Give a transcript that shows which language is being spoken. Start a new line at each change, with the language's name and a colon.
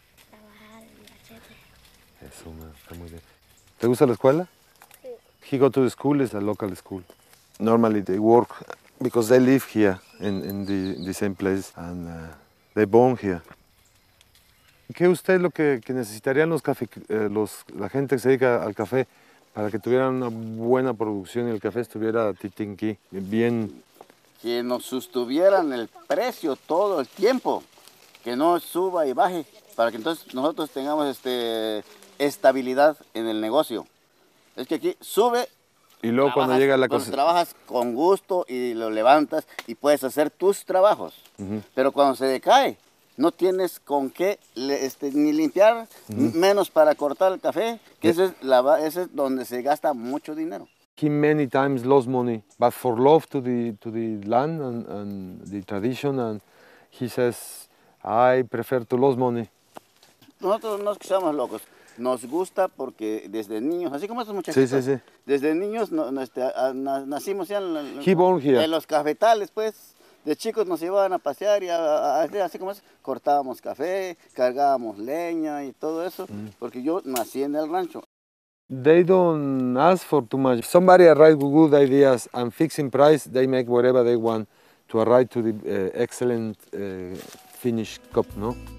Spanish: Trabajar en machete. Eso, man, está muy bien. ¿Te gusta la escuela?
English: He go to the school, it's a local school. Normally they work because they live here in the same place and they born here.
Spanish: ¿Qué usted lo que necesitarían los café, los la gente que se dedica al café para que tuvieran una buena producción y el café estuviera titinqui, bien? Que nos sostuvieran el precio todo el tiempo, que no suba y baje, para que entonces nosotros tengamos estabilidad en el negocio. Es que aquí sube y luego cuando llega la cosa trabajas con gusto y lo levantas y puedes hacer tus trabajos. Uh-huh. Pero cuando se decae, no tienes con qué ni limpiar, uh-huh, menos para cortar el café, que yeah, ese es donde se gasta mucho dinero.
English: He many times lost money, but for love to the land and the tradition, and he says I prefer to lose money.
Spanish: Nosotros no somos locos. Nos gusta porque desde niños, así como estos muchachos, sí, sí, sí, desde niños nacimos ya en los cafetales, pues. De chicos nos llevaban a pasear y así como es, cortábamos café, cargábamos leña y todo eso, porque yo nací en el rancho.
English: They don't ask for too much. Somebody arrive with good ideas and fixing price, they make whatever they want to arrive to the excellent finished cup, no?